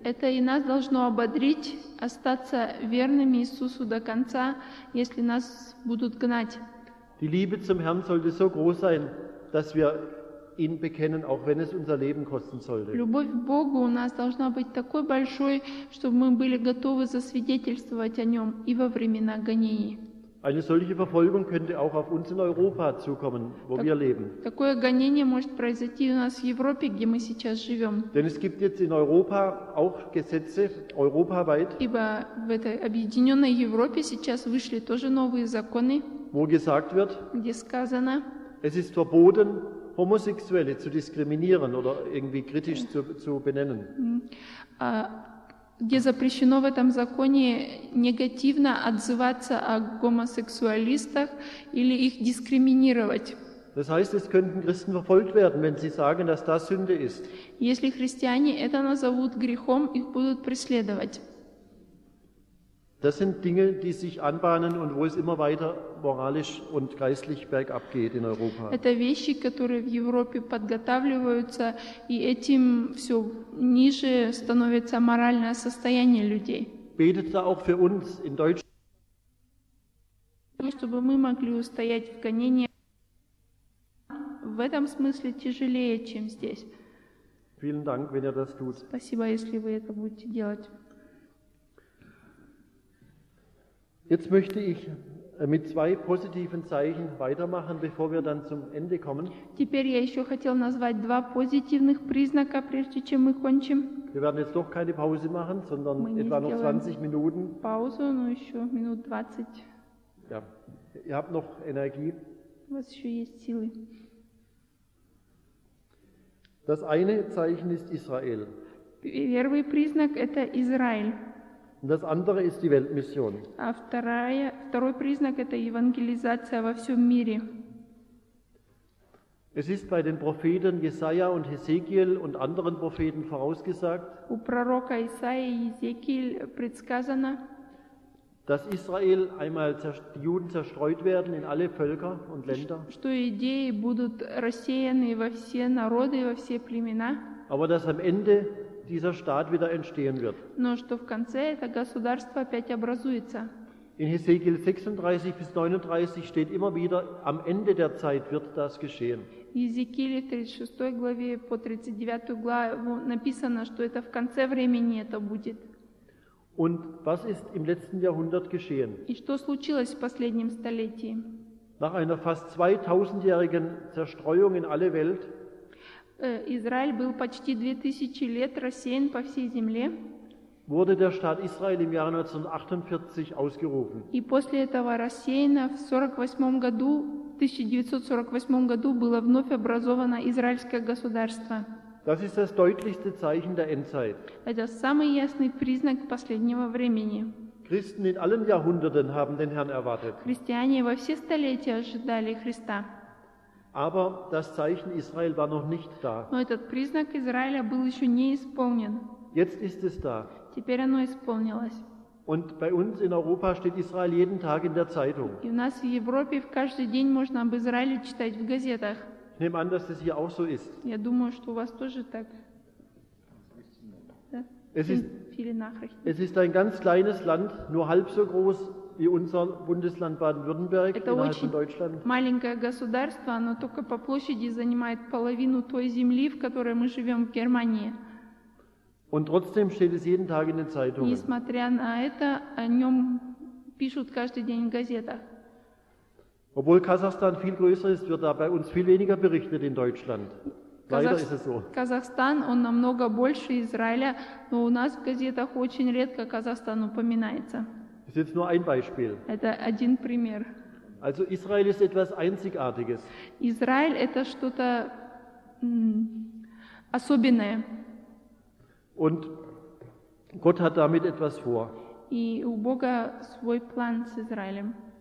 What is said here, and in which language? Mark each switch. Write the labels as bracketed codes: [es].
[ru] Это и нас должно ободрить остаться верными Иисусу до конца, если нас будут гнать. [de] Die Liebe zum Herrn sollte so groß sein, dass wir ihn bekennen, auch wenn es unser Leben kosten sollte. [ru] Любовь к Богу у нас должна быть такой большой, чтобы мы были готовы засвидетельствовать о нем и во времена гонений. [de] Eine solche Verfolgung könnte auch auf uns in Europa zukommen, wo wir leben. [ru] Такое гонение может произойти у нас в Европе, где мы сейчас живем. [de] Denn es gibt jetzt in Europa auch Gesetze europaweit. [ru] Ибо в этой объединенной Европе сейчас вышли тоже новые законы. [de] Wo gesagt wird, [ru] сказано, [de] es ist verboten, Homosexuelle zu diskriminieren oder irgendwie kritisch zu benennen. [ru] Где запрещено в этом законе негативно отзываться о гомосексуалистах или их дискриминировать. [de] Das heißt, es könnten Christen verfolgt werden, wenn sie sagen, dass das Sünde ist. [ru] Если христиане это назовут грехом, их будут преследовать. [de] Das sind Dinge, die sich anbahnen und wo es immer weiter moralisch und geistlich bergab geht in Europa. [ru] Это вещи, которые в Европе подготавливаются, и этим всё ниже становится моральное состояние людей. [de] Betet da auch für uns in Deutschland, [ru] чтобы мы могли устоять в гонениях. В этом смысле тяжелее, чем здесь. [de] Vielen Dank, wenn ihr das tut. [ru] Спасибо, если вы это будете делать. [de] Jetzt möchte ich mit zwei positiven Zeichen weitermachen, bevor wir dann zum Ende kommen. [ru] Теперь я ещё хотел назвать два позитивных признака, прежде чем мы кончим. [de] Wir werden jetzt doch keine Pause machen, sondern etwa noch 20 Minuten. [ru] Pause, но ещё минут 20. [de] Ja, ihr habt noch Energie. [ru] У вас ещё есть силы. [de] Das eine Zeichen ist Israel. [ru] Первый признак – это Израиль. [de] Das andere ist die Weltmission. [ru] А второй признак – это евангелизация во всем мире. [de] Es ist bei den Propheten Jesaja und Hesekiel und anderen Propheten vorausgesagt, [ru] у пророка Исаии и Езекииля предсказано, [de] dass Israel einmal die Juden zerstreut werden in alle Völker und Länder. [ru] Что иудеи будут рассеяны во все народы и во все племена. [de] Aber dass am Ende dieser Staat wieder entstehen wird. [ru] Но что в конце это государство опять образуется. [de] In Hesekiel 36 bis 39 steht immer wieder, am Ende der Zeit wird das geschehen. [ru] В Езекииле 36 главе по 39 главу написано, что это в конце времени это будет. [de] Und was ist im letzten Jahrhundert geschehen? [ru] И что случилось в последнем столетии? [de] Nach einer fast 2000-jährigen Zerstreuung in alle Welt, [ru] Израиль был почти 2000 лет рассеян по всей земле, [de] wurde der Staat Israel im Jahr 1948 ausgerufen. [ru] И после этого рассеяния в 1948 году было вновь образовано израильское государство. [de] Das ist das deutlichste Zeichen der Endzeit. [ru] Это самый ясный признак последнего времени. [de] Christen in allen Jahrhunderten haben den Herrn erwartet. [ru] Христиане во все столетия ожидали Христа. [de] Aber das Zeichen Israel war noch nicht da. [ru] Но этот признак Израиля был еще не исполнен. [de] Jetzt ist es da. [ru] Теперь оно исполнилось. [de] Und bei uns in Europa steht Israel jeden Tag in der Zeitung. [ru] И у нас в Европе в каждый день можно об Израиле читать в газетах. [de] Ich nehme an, dass das hier auch so ist. [ru] Я думаю, что у вас тоже так. [de] Es ist ein ganz kleines Land, nur halb so groß wie unser Bundesland Baden-Württemberg innerhalb von Deutschland. [ru] Это очень маленькое государство, оно только по площади занимает половину той земли, в которой мы живем, в Германии. [de] Und trotzdem steht es jeden Tag in den Zeitungen. [ru] Несмотря на это, о нем пишут каждый день в газетах. [de] Obwohl Kasachstan viel größer ist, wird da bei uns viel weniger berichtet in Deutschland. Leider ist es so. [ru] Казахстан, он намного больше Израиля, но у нас в газетах очень редко Казахстан упоминается. [de] Das ist jetzt nur ein Beispiel. [ru] Это один пример. [de] Also Israel ist etwas Einzigartiges. [ru] Израиль – это что-то особенное. [de] Und Gott hat damit etwas vor. [ru] И у Бога свой план с Израилем.